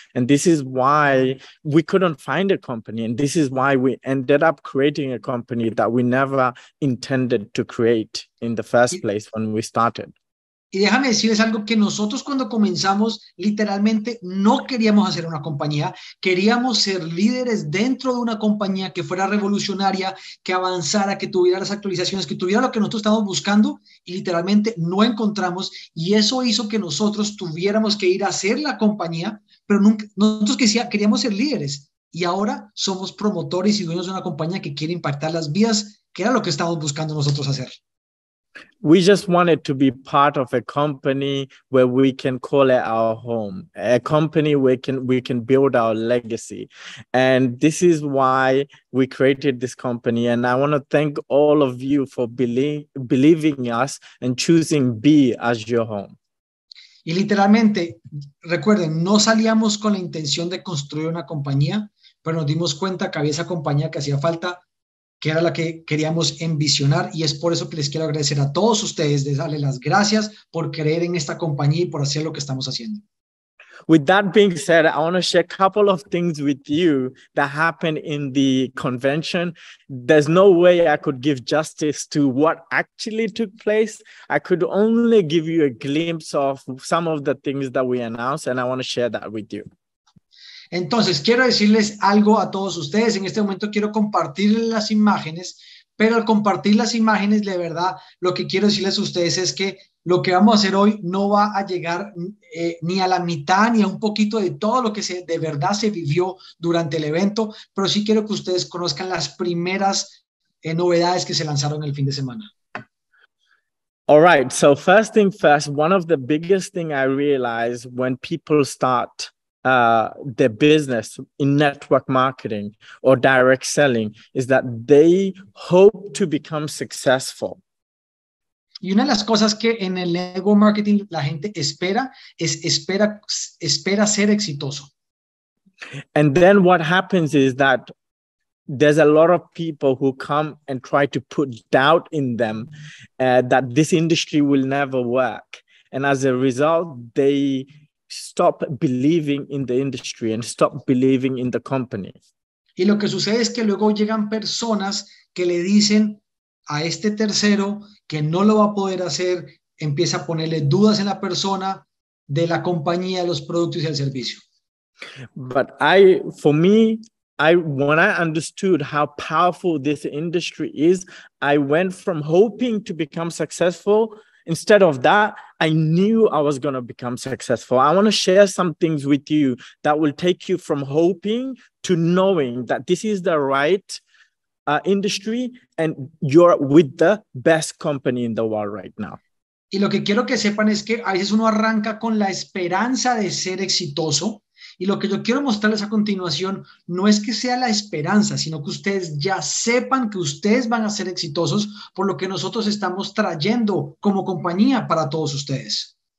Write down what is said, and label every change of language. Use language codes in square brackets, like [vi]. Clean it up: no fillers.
[en] And this is why we couldn't find a company. And this is why we ended up creating a company that we never intended to create in the first place when we started. [es] Y déjame decirles algo, que nosotros cuando comenzamos literalmente no queríamos hacer una compañía, queríamos ser líderes dentro de una compañía que fuera revolucionaria, que avanzara, que tuviera las actualizaciones, que tuviera lo que nosotros estábamos buscando, y literalmente no encontramos, y eso hizo que nosotros tuviéramos que ir a hacer la compañía, pero nunca, nosotros queríamos ser líderes, y ahora somos promotores y dueños de una compañía que quiere impactar las vidas, que era lo que estábamos buscando nosotros hacer. [en] We just wanted to be part of a company where we can call it our home, a company where we can build our legacy. And this is why we created this company. And I want to thank all of you for believing us and choosing B as your home. [es] Y literalmente, recuerden, no salíamos con la intención de construir una compañía, pero nos dimos cuenta que había esa compañía que hacía falta, que era la que queríamos envisionar, y es por eso que les quiero agradecer a todos ustedes, de darle las gracias por creer en esta compañía y por hacer lo que estamos haciendo. [en] With that being said, I want to share a couple of things with you that happened in the convention. There's no way I could give justice to what actually took place. I could only give you a glimpse of some of the things that we announced, and I want to share that with you. [es] Entonces, quiero decirles algo a todos ustedes. En este momento quiero compartirles las imágenes, pero al compartir las imágenes, de verdad, lo que quiero decirles a ustedes es que lo que vamos a hacer hoy no va a llegar ni a la mitad ni a un poquito de todo lo que de verdad se vivió durante el evento, pero sí quiero que ustedes conozcan las primeras novedades que se lanzaron el fin de semana. [en] All right, so first thing first, one of the biggest thing I realized when people start their business in network marketing or direct selling is that they hope to become successful. [es] Y una de las cosas que en el network marketing la gente espera es espera ser exitoso. [en] And then what happens is that there's a lot of people who come and try to put doubt in them that this industry will never work. And as a result, they stop believing in the industry and stop believing in the company. [es] Y lo que sucede es que luego llegan personas que le dicen a este tercero que no lo va a poder hacer, empieza a ponerle dudas en la persona, de la compañía, los productos y el servicio. [en] But when I understood how powerful this industry is, I went from hoping to become successful. Instead of that, I knew I was going to become successful. I want to share some things with you that will take you from hoping to knowing that this is the right industry and you're with the best company in the world right now. [es] Y lo que quiero que sepan es que a veces uno arranca con la esperanza de ser exitoso. Y lo que yo quiero mostrarles a continuación no es que sea la esperanza, sino que ustedes ya sepan que ustedes van a ser exitosos por lo que nosotros estamos trayendo como compañía para todos ustedes.